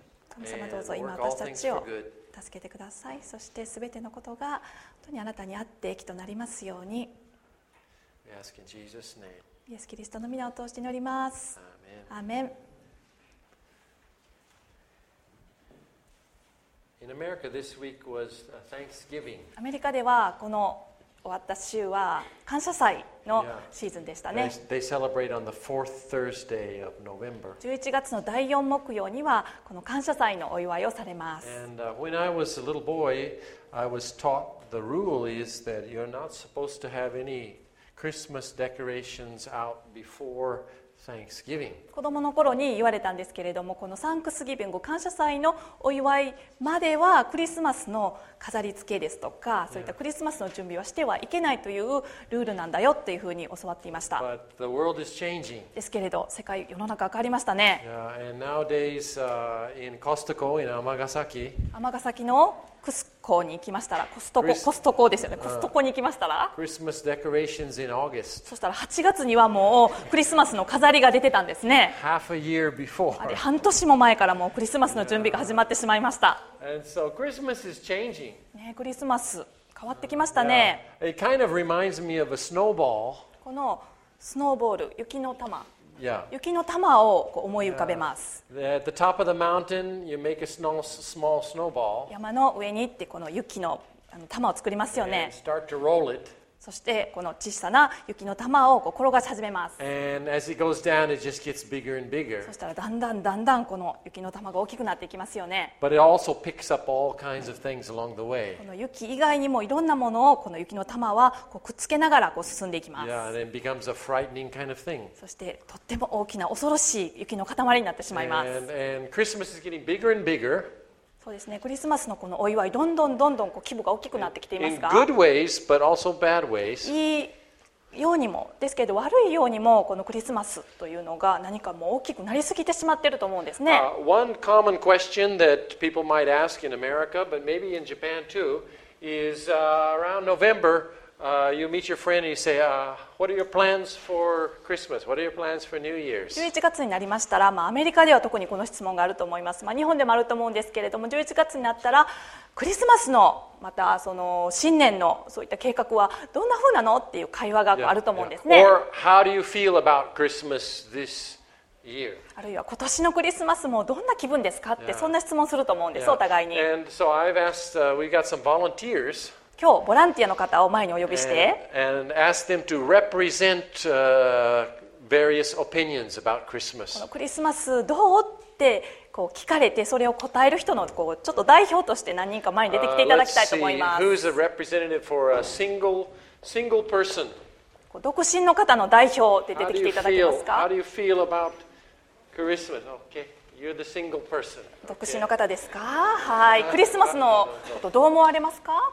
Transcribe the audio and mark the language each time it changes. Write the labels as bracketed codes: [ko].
[ja] 神様どうぞ今私たちを助けてください。そしてすべてのことが本当にあなたにあって益となりますように。 [en] We ask in Jesus' name. [ja] イエス・キリストの御名を通して祈ります。アーメン。 [en] In America, this week was Thanksgiving. [ja] アメリカではこの終わった週は感謝祭のシーズンでしたね。 [en] Yeah. They celebrate on the fourth Thursday of November. [ja] 11月の第4木曜にはこの感謝祭のお祝いをされます。 [en] And when I was a little boy, I was taught the rule is that you're not supposed to have any Christmas decorations out before. Thanksgiving. [ja] 子供の頃に言われたんですけれども、このサンクスギビング、感謝祭のお祝いまではクリスマスの飾り付けですとか、そういったクリスマスの準備はしてはいけないというルールなんだよっていうふうに教わっていました。 [en] But the world is changing. [ja] ですけれど、世界、世の中変わりましたね。 [en] Yeah, and nowadays, in Costco, in Amagasaki, [ja] 天ヶ崎のクスコに行きましたら、コストコですよね。コストコに行きましたら、 [en] Christmas decorations in August. [ja] そしたら8月にはもうクリスマスの飾りが出てたんですね。 [en] Half a year before. [ja] あれ半年も前からもうクリスマスの準備が始まってしまいました。 [en] And so Christmas is changing. [ja] ね、クリスマス変わってきましたね。 [en] It kind of reminds me of a snowball. [ja] このスノーボール、雪の玉。 [en] Yeah. [ja] 雪の玉をこう思い浮かべます。山の上に行ってこの雪の玉を作りますよね。 [en] And start to roll it. [ja] そしてこの小さな雪の玉をこう転がし始めます。 [en] And as it goes down, it just gets bigger and bigger. [ja] そしたらだんだんだんだんこの雪の玉が大きくなっていきますよね。 [en] But it also picks up all kinds of things along the way. [ja] この雪以外にもいろんなものをこの雪の玉はこうくっつけながらこう進んでいきます。 [en] Yeah, and it becomes a frightening kind of thing. [ja] そしてとっても大きな恐ろしい雪の塊になってしまいます。 [en] And Christmas is getting bigger and bigger. [ja] そうですね、クリスマスのこのお祝いどんどんどんどんこう規模が大きくなってきていますが、 [en] in good ways, but also bad ways. [ja] いいようにもですけど悪いようにもこのクリスマスというのが何かもう大きくなりすぎてしまっていると思うんですね。 [en] One common question that people might ask in America, but maybe in Japan too, is around November, you meet your friend and you say, what are your plans for Christmas? What are your plans for New Year's? [ja] 11月になりましたら、まあ、アメリカでは特にこの質問があると思います。まあ、日本でもあると思うんですけれども、11月になったらクリスマスのまたその新年のそういった計画はどんな風なのっていう会話があると思うんですね。 [en] Yeah, yeah. Or how do you feel about Christmas this year? [ja] あるいは今年のクリスマスもどんな気分ですかって、yeah. そんな質問すると思うんです、yeah. お互いに。 [en] And so I've asked, we got some volunteers. [ja] 今日ボランティアの方を前にお呼びして [en] and ask them to represent, various opinions about Christmas. [ja] このクリスマスどうってこう聞かれてそれを答える人のこうちょっと代表として何人か前に出てきていただきたいと思います。 [en] Let's see. Who's a representative for a single person? [ja] 独身の方の代表で出てきていただけますか。 [en] How do you feel about Christmas? Okay. You're the single person. [ja] 独身の方ですか、はい、クリスマスのことどう思われますか。